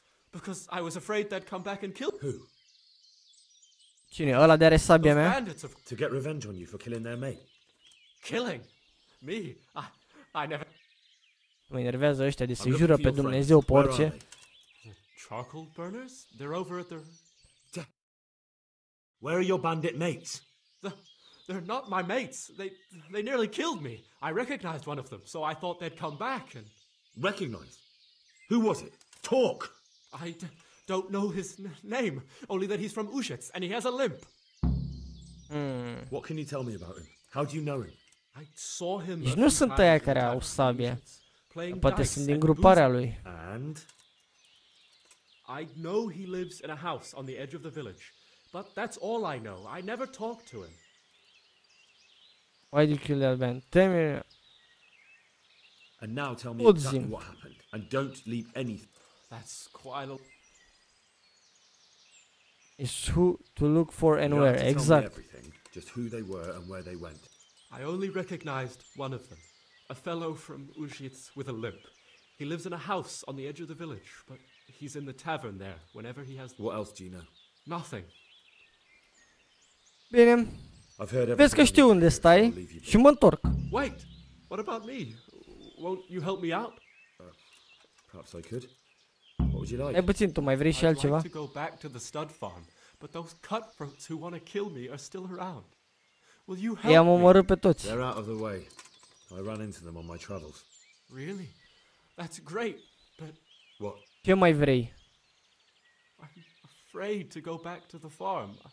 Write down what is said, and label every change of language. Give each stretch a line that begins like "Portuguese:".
English: Because I was afraid they'd come back and kill who?
Romanian: Cine? Ăla de are sabia mea?
English: To get revenge on you for killing their mate. Killing? Me? I never...
Romanian: Mă enervează ăștia de se jură pe Dumnezeu pe orice.
English: Charcoal burners? They're over at the... Where are your bandit mates? They're not my mates. They nearly killed me. I recognized one of them, so I thought they'd come back and... Recognize? Who was it? Talk! I don't know his name, only that he's from Ujits and he has a limp. What can you tell me about him? How do you know him? I saw him.
Romanian: Și nu sunt aia care au sabia. Poate sunt din gruparea lui.
English: And I know he lives in a house on the edge of the village, but that's all I know. I never talked to him. Why did you kill that man? Tell me. And now tell me exactly what happened and don't leave anything. That's quite a... It's who to look for and you where, exactly. Everything, just who they were and where they went. I only recognized one of them. A fellow from Ujits with a limp. He lives in a house on the edge of the village, but he's in the tavern there whenever he has... What else do you know? Nothing.
Romanian: Bine.
English: I've heard
Romanian: vezi că știu unde stai și mă întorc.
English: Wait, what about me? Won't you help me out? Perhaps I could. What would you like?
Romanian: Hai puțin, tu mai vrei și altceva?
English: I'd like to go back to the stud farm, but those cutthroats who want to kill me are still around. Will you help me?
Romanian: I'm omorât pe toți.
English: They're out of the way. I ran into them on my travels. Really? That's great, but... What?
Romanian: Ce mai vrei?
English: I'm afraid to go back to the farm.